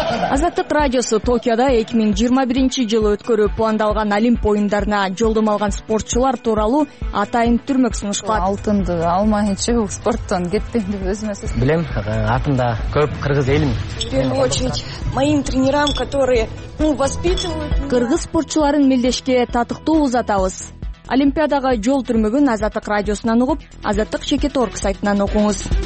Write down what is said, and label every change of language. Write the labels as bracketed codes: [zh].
[ky] Азаттык радиосу Токиода 2021 жылы өткөрүү пландалган олимп оюндарына жолдом алган спортчулар тууралуу атайын түрмөк сунуш кылат. Алтынды алмайын чыгып спорттон кеттимби өзүмө сөз. Билем, атымда көп кыргыз элим. [ru] В первую очередь моим тренерам, которые воспитывают. [ky] Кыргыз спортчуларын мелдешке татыктуу узатабыз. Олимпиадага жол түрмөгүн Азаттык радиосунан угуп, Азаттык чекит орг сайтынан окуңуз.